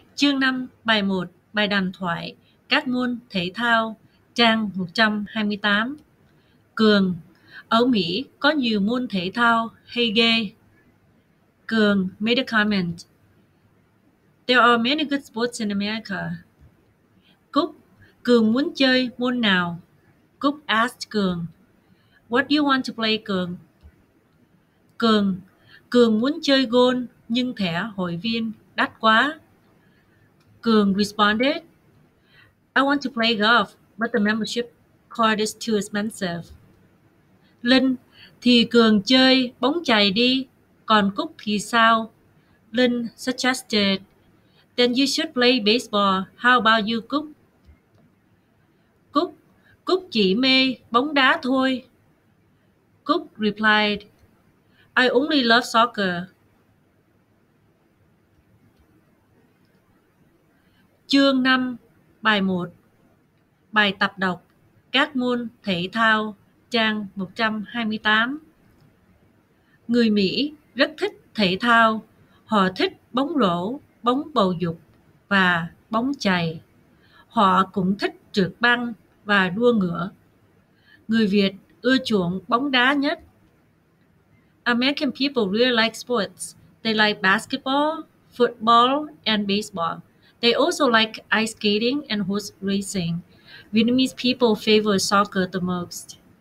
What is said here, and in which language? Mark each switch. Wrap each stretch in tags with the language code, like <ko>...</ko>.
<vi>Chương 5, bài 1, bài đàm thoại, các môn thể thao, trang 128. Cường: ở Mỹ có nhiều môn thể thao hay ghê.</vi> <en>Cường made a comment. There are many good sports in America.</en> <vi>Cúc: Cường muốn chơi môn nào?</vi> <en>Cúc asked Cường. What do you want to play, Cường?</en> <vi>Cường: Cường muốn chơi golf nhưng thẻ hội viên đắt quá.</vi> <en>Cường responded, I want to play golf, but the membership card is too expensive.</en> <vi>Linh: Thì Cường chơi bóng chày đi, còn Cúc thì sao?</vi> <en>Linh suggested, then you should play baseball, how about you, Cúc?</en> <vi>Cúc chỉ mê bóng đá thôi.</vi> <en>Cúc replied, I only love soccer.</en> <vi>Chương 5, bài 1, bài tập đọc, các môn thể thao, trang 128. Người Mỹ rất thích thể thao, họ thích bóng rổ, bóng bầu dục và bóng chày. Họ cũng thích trượt băng và đua ngựa. Người Việt ưa chuộng bóng đá nhất.</vi> <en>American people really like sports. They like basketball, football and baseball. They also like ice skating and horse racing. Vietnamese people favor soccer the most.</en>